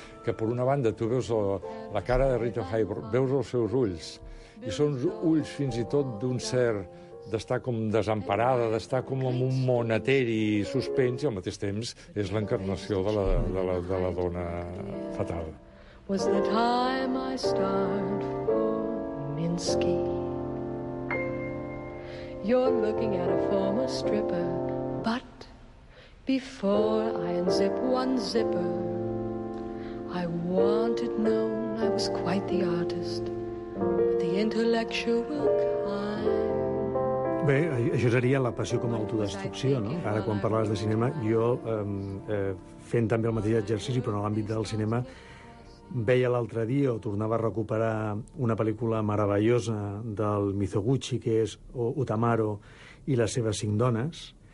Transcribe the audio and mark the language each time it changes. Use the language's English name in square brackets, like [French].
[Catalan] Que, per una banda, tu veus la cara de Rita Hayworth, veus els seus ulls, i són ulls fins i tot d'un cert d'estar com desemparada, d'estar com en un món eteri i suspens, i al mateix temps és l'encarnació de la dona fatal. [English] Was the time I starred for Minsky. You're looking at a former stripper, but before I unzip one zipper, I want it known I was quite the artist, the intellectual kind. [Catalan] Bé, això seria la passió com a autodestrucció, no? Ara, quan parlaves de cinema, jo, fent també el mateix exercici, però en l'àmbit del cinema, veia l'altre dia, o tornava a recuperar, una pel·lícula meravellosa del Mizoguchi, que és Utamaro i les seves cinc dones.